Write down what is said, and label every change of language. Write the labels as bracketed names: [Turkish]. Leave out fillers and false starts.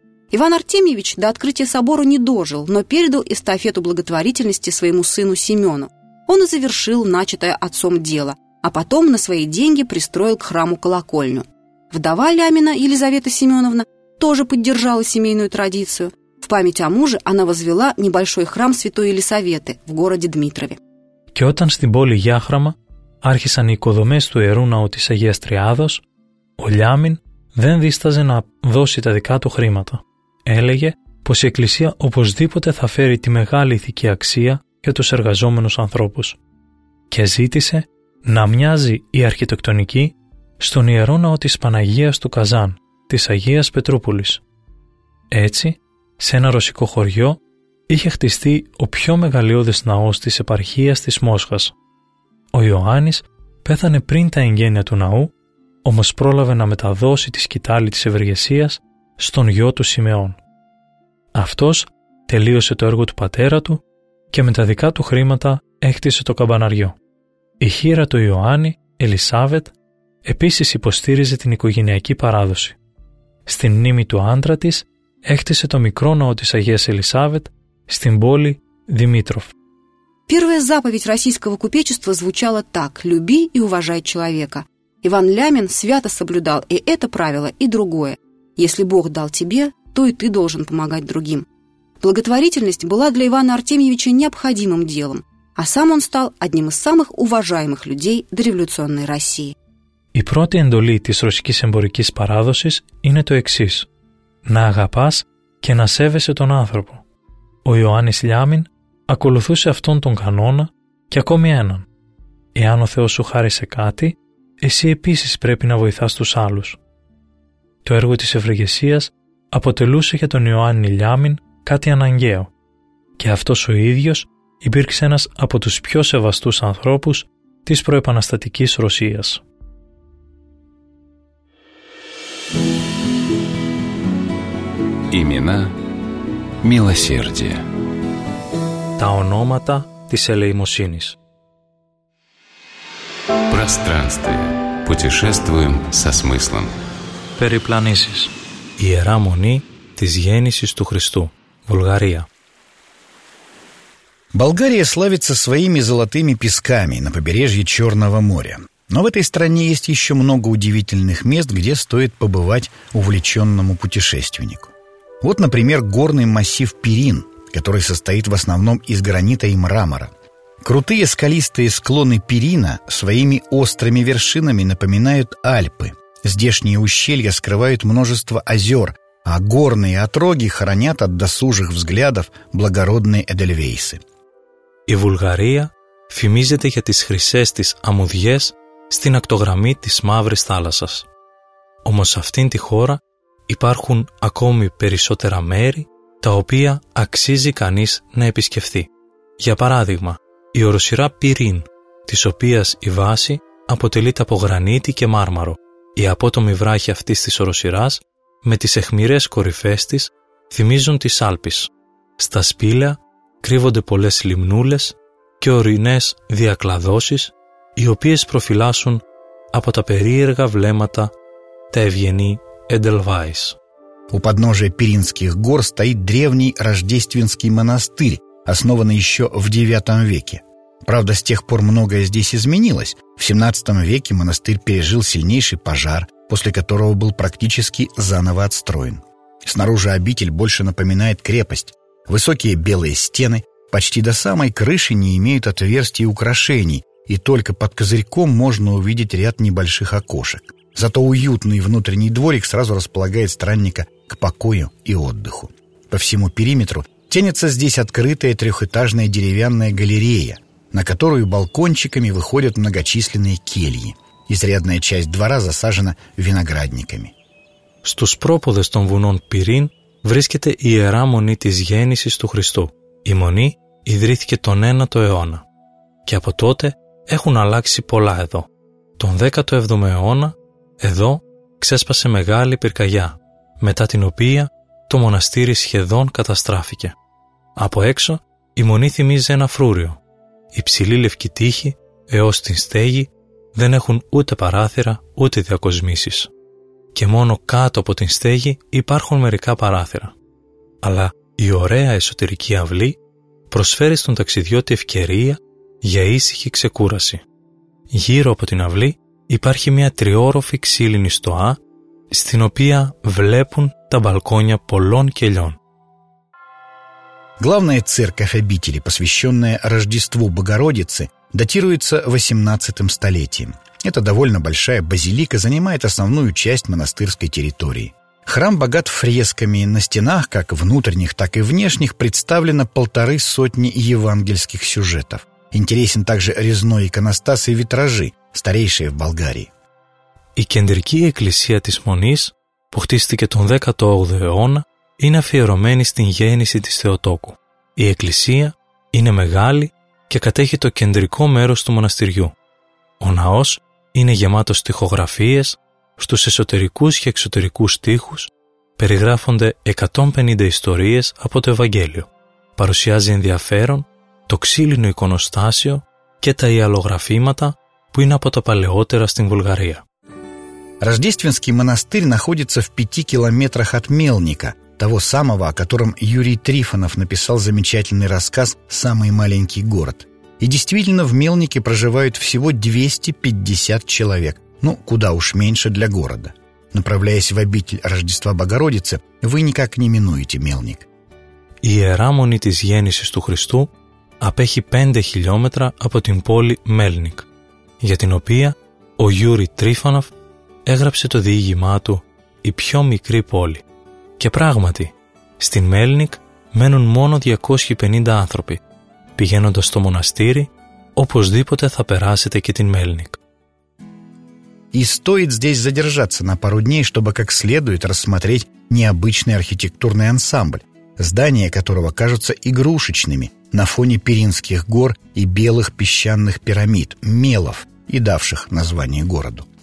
[Russian] Иван Артемьевич до открытия собора не дожил, но передал эстафету благотворительности своему сыну Семену. Он и завершил начатое отцом дело – а потом на свои деньги пристроил к храму колокольню. Вдова Лямина, Елизавета Семеновна, тоже поддержала семейную традицию. В память о муже она возвела небольшой храм Святой Елисаветы в городе Дмитрове. [Greek] Και όταν στην πόλη Γιάχραμα άρχισαν οι οικοδομές του Ιερού Ναού της Αγίας Τριάδος, ο Λιάμιν δεν δίσταζε να δώσει τα δικά του χρήματα. Έλεγε πως η Εκκλησία οπωσδήποτε θα φέρει τη μεγάλη ηθική αξία για τους εργαζόμενους ανθρώπους. Και ζήτησε να μοιάζει η αρχιτεκτονική στον Ιερό Ναό της Παναγίας του Καζάν, της Αγίας Πετρούπολης. Έτσι, σε ένα ρωσικό χωριό, είχε χτιστεί ο πιο μεγαλειώδης ναός της επαρχίας της Μόσχας. Ο Ιωάννης πέθανε πριν τα εγγένεια του ναού, όμως πρόλαβε να μεταδώσει τη σκυτάλη της ευεργεσίας στον γιο του Σιμεών. Αυτός τελείωσε το έργο του πατέρα του και με τα δικά του χρήματα έκτισε το καμπαναριό. Η χείρα του Ιωάννη, Ελισάβετ, επίσης υποστήριζε την οικογενειακή παράδοση. Στην μνήμη του άντρα της, έκτισε το μικρό ναό της Αγίας Ελισάβετ στην πόλη Δημήτροφ. [Russian] Первая заповедь российского купечества звучала так: «Люби и уважай человека». Иван Лямин свято соблюдал и это правило, и другое. Если Бог дал тебе, то и ты должен помогать другим. Благотворительность была для Ивана Артемьевича необходимым делом. А сам он стал одним из самых уважаемых людей дореволюционной России. [Greek] Η πρώτη εντολή της ρωσικής εμπορικής παράδοσης είναι το εξής. Να αγαπάς και να σέβεσαι τον άνθρωπο. Ο Ιωάννης Λιάμιν ακολουθούσε αυτόν τον κανόνα και ακόμη έναν. Εάν ο Θεός σου χάρισε κάτι, εσύ επίσης πρέπει να βοηθάς τους άλλους. Το έργο της ευεργεσίας αποτελούσε για τον Ιωάννη Λιάμιν κάτι αναγκαίο. Και αυτός ο ίδιος υπήρξε ένας από τους πιο σεβαστούς ανθρώπους της προεπαναστατικής Ρωσίας. [Russian] Имена милосердия. [Greek] Τα ονόματα της ελεημοσύνης. [Russian] Пространствие. Путешествуем со смыслом. [Greek] Перипланисис. Ιερά Μονή της Γέννησης του Χριστού. Βουλγαρία. [Russian] Болгария славится своими золотыми песками на побережье Черного моря. Но в этой стране есть еще много удивительных мест, где стоит побывать увлеченному путешественнику. Вот, например, горный массив Пирин, который состоит в основном из гранита и мрамора. Крутые скалистые склоны Пирина своими острыми вершинами напоминают Альпы. Здешние ущелья скрывают множество озер, а горные отроги хранят от досужих взглядов благородные эдельвейсы. [Greek] Η Βουλγαρία φημίζεται για τις χρυσές της αμμουδιές στην ακτογραμμή της Μαύρης Θάλασσας. Όμως σε αυτήν τη χώρα υπάρχουν ακόμη περισσότερα μέρη τα οποία αξίζει κανείς να επισκεφθεί. Για παράδειγμα, η οροσειρά Πυρίν, της οποίας η βάση αποτελείται από γρανίτη και μάρμαρο. Η απότομη βράχη αυτής της οροσειράς με τις αιχμηρές κορυφές της θυμίζουν τις Άλπεις. Στα σπήλαια κρύβονται πολλές λιμνούλες και ορεινές διακλαδώσεις, οι οποίες προφυλάσσουν από τα περίεργα βλέμματα τα ευγενή Edelweiss. [Russian] У подножия Пиринских гор стоит древний Рождественский монастырь, основанный еще в IX веке. Правда, с тех пор многое здесь изменилось. В XVII веке монастырь пережил сильнейший пожар, после которого был практически заново отстроен. Снаружи обитель больше напоминает крепость. Высокие белые стены почти до самой крыши не имеют отверстий и украшений, и только под козырьком можно увидеть ряд небольших окошек. Зато уютный внутренний дворик сразу располагает странника к покою и отдыху. По всему периметру тянется здесь открытая трехэтажная деревянная галерея, на которую балкончиками выходят многочисленные кельи. Изрядная часть двора засажена виноградниками. [Greek] Στους πρόποδες των βουνών Πυρίν βρίσκεται η Ιερά Μονή της Γέννησης του Χριστού. Η Μονή ιδρύθηκε τον 9ο αιώνα και από τότε έχουν αλλάξει πολλά εδώ. Τον 17ο αιώνα εδώ ξέσπασε μεγάλη πυρκαγιά, μετά την οποία το μοναστήρι σχεδόν καταστράφηκε. Από έξω η Μονή θυμίζει ένα φρούριο. Οι ψηλοί λευκοί τείχοι έως την στέγη δεν έχουν ούτε παράθυρα ούτε διακοσμήσεις. Και μόνο κάτω από την στέγη υπάρχουν μερικά παράθυρα. Αλλά η ωραία εσωτερική αυλή προσφέρει στον ταξιδιώτη ευκαιρία για ήσυχη ξεκούραση. Γύρω από την αυλή υπάρχει μια τριώροφη ξύλινη στοά, στην οποία βλέπουν τα μπαλκόνια πολλών κελιών. [Russian] Главная церковь обители, посвященная Рождеству Богородицы, датируется 18-м столетием. Эта довольно большая базилика занимает основную часть монастырской территории. Храм богат фресками. На стенах, как внутренних, так и внешних, представлено 150 евангельских сюжетов. Интересен также резной иконостас и витражи, старейшие в Болгарии. [Greek] Η κεντρική εκκλησία της Μονής, που χτίστηκε τον 18ο αιώνα, είναι αφιερωμένη στην γέννηση της Θεοτόκου. Η εκκλησία είναι μεγάλη και κατέχει το κεντρικό μέρος του μοναστηριού. Ο ναός είναι γεμάτος στιχογραφίες, στους εσωτερικούς και εξωτερικούς στίχους περιγράφονται 150 ιστορίες από το Ευαγγέλιο. Παρουσιάζει ενδιαφέρον το ξύλινο εικονοστάσιο και τα ιαλογραφήματα που είναι από τα παλαιότερα στην Βουλγαρία. [Russian] Рождественский монастырь находится в 5 километрах от Мелника, того самого, о котором Юрий Трифонов написал замечательный рассказ «Самый маленький город». И действительно, в Мелнике проживают всего 250 человек. Ну, куда уж меньше для города. Направляясь в обитель Рождества Богородицы, вы никак не минуете Мелник. [Greek] Ιερά Μονή της Γέννησης του Χριστού απέχει 5 χιλιόμετρα από την πόλη Μέλνικ, για την οποία ο Γιούρι Τρίφανοφ έγραψε το διήγημά του «Η πιο μικρή πόλη». Και πράγματι, στην Μέλνικ μένουν μόνο 250 άνθρωποι. Πηγαίνοντας στο μοναστήρι, οπωσδήποτε θα περάσετε και την Мельник. [Russian] И стоит здесь задержаться на пару дней, чтобы как следует рассмотреть необычный архитектурный ансамбль, здания которого кажутся игрушечными на фоне Пиринских гор и белых песчаных пирамид, мелов, и давших название городу.